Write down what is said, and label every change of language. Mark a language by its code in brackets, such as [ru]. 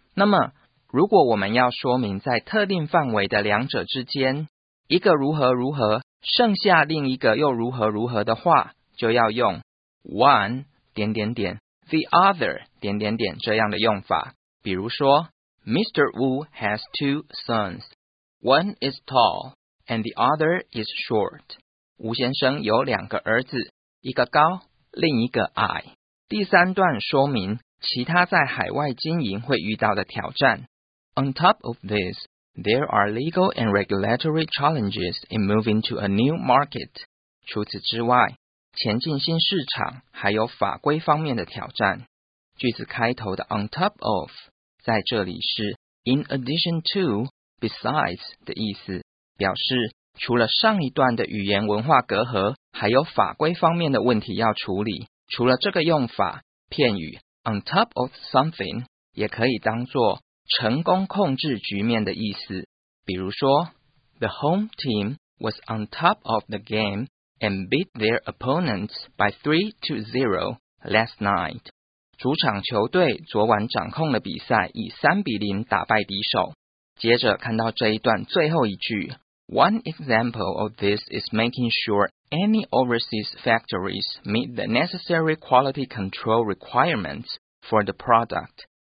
[zh] 那么如果我们要说明在特定范围的两者之间，一个如何如何，剩下另一个又如何如何的话，就要用 one 点点点 the other 点点点这样的用法。比如说 [en] Mr. Wu has two sons. One is tall and the other is short. [zh] 吴先生有两个儿子，一个高，另一个矮。第三段说明其他在海外经营会遇到的挑战。 [en] On top of this,There are legal and regulatory challenges in moving to a new market. [zh] 除此之外，前进新市场还有法规方面的挑战。句子开头的 on top of 在这里是 [en] in addition to, besides [zh] 的意思，表示除了上一段的语言文化隔阂，还有法规方面的问题要处理。除了这个用法，片语 on top of something 也可以当作成功控制局面的意思。比如说 [en] The home team was on top of the game and beat their opponents by 3-0 last night. [zh] 主场球队昨晚掌控了比赛，以3-0打败敌手。接着看到这一段最后一句， [en] One example of this is making sure any overseas factories meet the necessary quality control requirements for the product.